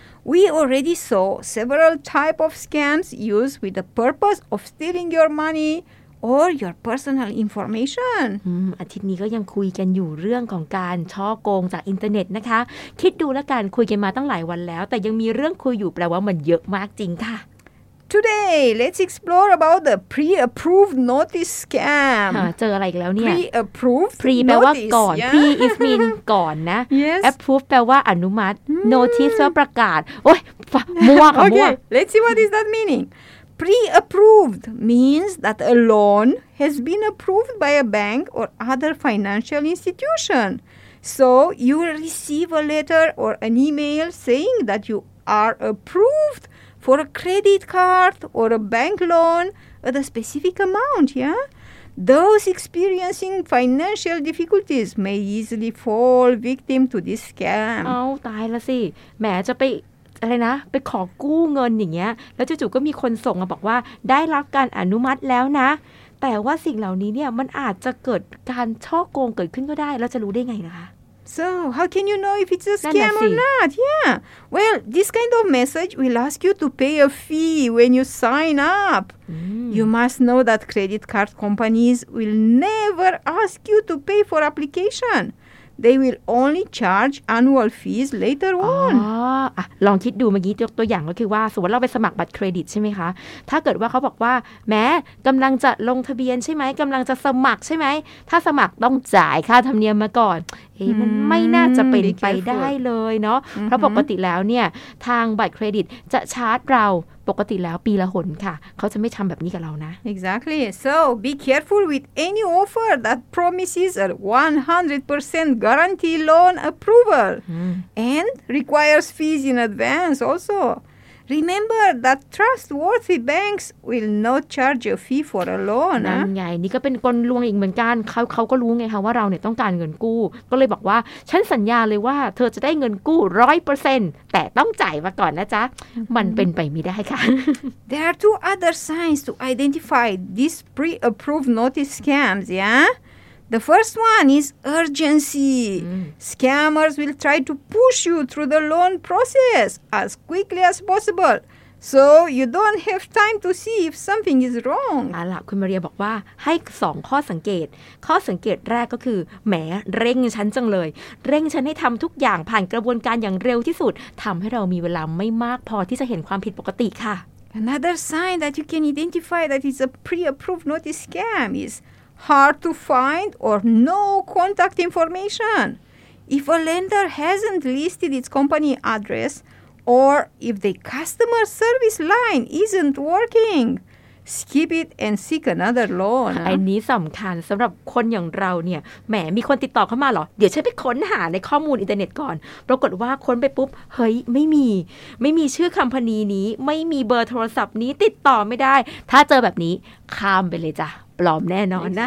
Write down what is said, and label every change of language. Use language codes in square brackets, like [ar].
[en] We already saw several types of scams used with the purpose of stealing your money or your personal information. [th] อาทิตย์นี้ก็ยังคุยกันอยู่เรื่องของการช่อโกงจากอินเทอร์เน็ตนะคะคิดดูแล้วกันคุยกันมาตั้งหลายวันแล้วแต่ยังมีเรื่องคุยอยู่แปลว่ามันเยอะมากจริงค่ะ [en] Today, let's explore about the pre-approved notice scam. [th] เจออะไรแล้วเนี่ย [en] Pre-approved notice. [th] แปลว่าก่อน [en] Pre is mean [th] ก่อนนะ [en] Yes. [th] Approved แปลว่าอนุมัติNotice ประกาศโอ้ยมั่วค่ะมั่ว [en] Okay, let's see what is that meaning. Pre-approved means that a loan has been approved by a bank or other financial institution. So you will receive a letter or an email saying that you are approved for a credit card or a bank loan at a specific amount, yeah? Those experiencing financial difficulties may easily fall victim to this scam. [th] เอ้าตายละสิแหมจะไปอะไรนะไปขอกู้เงินอย่างเงี้ยแล้วจู่ๆก็มีคนส่งมาบอกว่าได้รับการอนุมัติแล้วนะแต่ว่าสิ่งเหล่านี้เนี่ยมันอาจจะเกิดการช่อโกงเกิดขึ้นก็ได้เราจะรู้ได้ไงนะคะ [en] So how can you know if it's a scam or not? Yeah. Well, this kind of message will ask you to pay a fee when you sign up. You must know that credit card companies will never ask you to pay for application. they will only charge annual fees later on [th] ลองคิดดูเมื่อกี้ยกตัวอย่างก็คือว่าสมมติเราไปสมัครบัตรเครดิตใช่ไหมคะถ้าเกิดว่าเขาบอกว่าแม้กำลังจะลงทะเบียนใช่ไหมกำลังจะสมัครใช่ไหมถ้าสมัครต้องจ่ายค่าธรรมเนียมมาก่อนมันไม่น่าจะเป็นไปได้เลยเนาะเพราะปกติแล้วเนี่ยทางบัตรเครดิตจะชาร์จเราปกติแล้วปีละหนค่ะเขาจะไม่ทำแบบนี้กับเรานะ [en] Exactly so be careful with any offer that promises a 100% guarantee loan approval and requires fees in advance also remember that trustworthy banks will not charge a fee for a loan [th] นั่นไงนี่ก็เป็นกลลวงอีกเหมือนกันเขาก็รู้ไงคะว่าเราเนี่ยต้องการเงินกู้ก็เลยบอกว่าฉันสัญญาเลยว่าเธอจะได้เงินกู้ 100%แต่ต้องจ่ายมาก่อนนะจ๊ะมันเป็นไปไม่ได้ค่ะ [en] There are two other signs to identify these pre-approved notice scams yeah the first one is urgency scammers will try to push you through the loan process as quickly as possible so you don't have time to see if something is wrong [th] อ่ะล่ะคุณมาเรียบอกว่าให้2ข้อสังเกตข้อสังเกตแรกก็คือแหมเร่งฉันจังเลยเร่งฉันให้ทำทุกอย่างผ่านกระบวนการอย่างเร็วที่สุดทำให้เรามีเวลาไม่มากพอที่จะเห็นความผิดปกติค่ะ [en] Another sign that you can identify that it's a pre-approved notice scam is hard to find or no contact information if a lender hasn't listed its company addressOr if the customer service line isn't working, skip it and seek another loan. [th] อันนี้สำคัญสำหรับคนอย่างเราเนี่ยแหมมีคนติดต่อเข้ามาเหรอเดี๋ยวฉันไปค้นหาในข้อมูลอินเทอร์เน็ตก่อนปรากฏว่าค้นไปปุ๊บเฮ้ยไม่มีชื่อคัมพานีนี้ไม่มีเบอร์โทรศัพท์นี้ติดต่อไม่ได้ถ้าเจอแบบนี้ข้ามไปเลยจ้ะปลอมแน่นอนนะ